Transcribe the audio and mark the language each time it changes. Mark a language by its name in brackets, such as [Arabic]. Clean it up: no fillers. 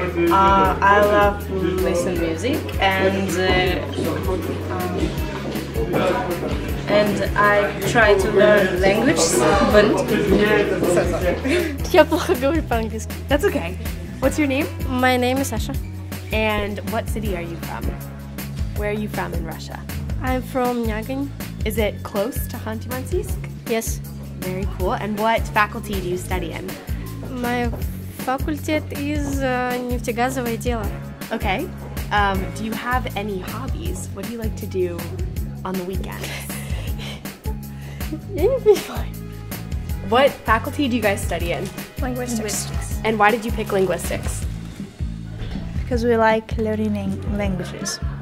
[English] I love to listen to music and I try to learn language, but [Russian] я плохо говорю по-английски. [English] That's okay. What's your name? My name is Sasha. And what city are you from? Where are you from in Russia? I'm from Нягань. Is it close to Ханты-Мансийск? Yes. Very cool. And what faculty do you study in? My факультет is [Russian] нефтегазовое дело. [English] Okay. Do you have any hobbies? What do you like to do on the weekends? What faculty do you guys study in? Linguistics. And why did you pick linguistics? Because we like learning languages.